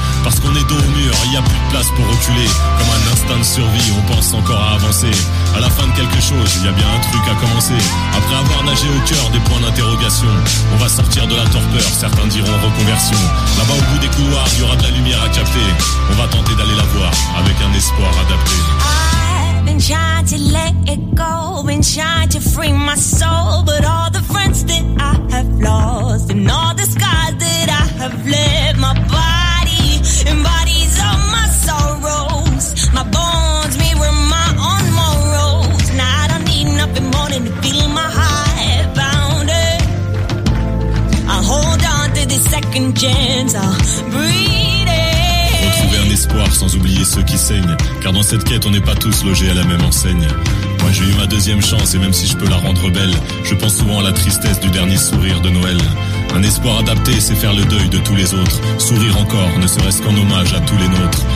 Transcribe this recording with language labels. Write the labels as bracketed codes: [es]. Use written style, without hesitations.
[fr] Parce qu'on est dos au mur, il n'y a plus de place pour reculer. Comme un instinct de survie, on pense encore à avancer. À la fin de quelque chose, il y a bien un truc à commencer. Après avoir nagé au cœur des points d'interrogation, on va sortir de la torpeur, certains diront reconversion. Là-bas au bout des couloirs, il y aura de la lumière à capter. On va tenter d'aller la voir avec un espoir adapté. [en] Been trying to let it go, been trying to free my soul, but all the friends that I have lost and all the scars that I have left, my body embodies all my sorrows, my bones mirror my own morals, and I don't need nothing more than to feel my heart bounded. I'll hold on to this second chance, I'll breathe. [fr] Espoir sans oublier ceux qui saignent, car dans cette quête on n'est pas tous logés à la même enseigne. Moi j'ai eu ma deuxième chance et même si je peux la rendre belle, je pense souvent à la tristesse du dernier sourire de Noël. Un espoir adapté c'est faire le deuil de tous les autres, sourire encore ne serait-ce qu'en hommage à tous les nôtres.